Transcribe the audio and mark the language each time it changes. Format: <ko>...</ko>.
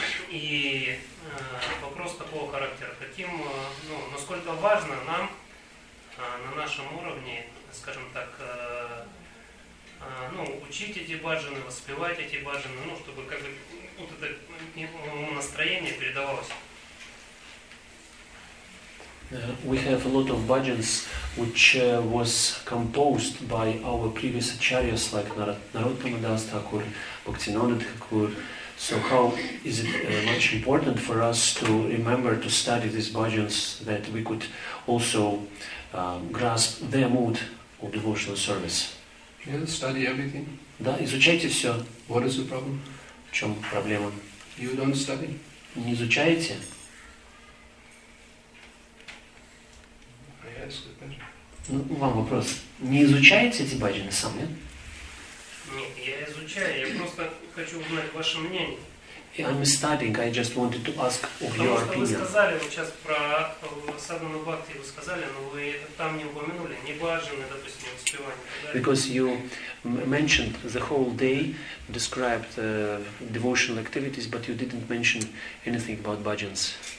<ru>И вопрос такого характера. Каким, ну, насколько важно нам на нашем уровне, скажем так, ну, учить эти баджаны, воспевать эти баджаны, ну, чтобы как бы вот это настроение передавалось.</ru> <en>We have a lot of bhajans which was composed by our previous acharyas like Narottama Das Thakur, Bhaktivinoda Thakur. So how is it much important for us to remember to study these bhajans that we could also grasp their mood of devotional service? Yeah, study everything.</en> <ru>Да, изучайте все.</ru> <en>What is the problem?</en> <ru>В чем проблема?</ru> <en>You don't study.</en> <ru>Не изучаете? Ну, вам вопрос. Не изучаете эти баджаны сам, нет? Нет, я изучаю, я просто хочу узнать ваше мнение.</ru> <en>I'm studying, I just wanted to ask of your opinion.</en> <ru>Потому что вы сказали сейчас про садхану бхакти, вы сказали, но вы там не упомянули, не баджаны, допустим, не успевание.</ru> <en>Because you mentioned the whole day, described devotional activities, but you didn't mention anything about bhajans.</en>